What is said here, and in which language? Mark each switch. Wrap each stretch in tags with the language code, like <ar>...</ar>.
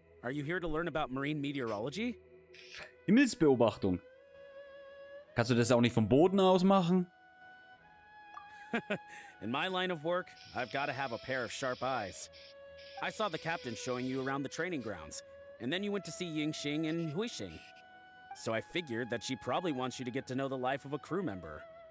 <en>Are you here to learn about marine meteorology?</en> <de>Himmelsbeobachtung. Kannst du das auch nicht vom Boden aus machen?</de> <en>In my line of work, I've got to have a pair of sharp eyes. I saw the captain showing you around the training grounds, and then you went to see Yingxing and Huixing. So I figured that she probably wants you to get to know the life of a crew member.</en>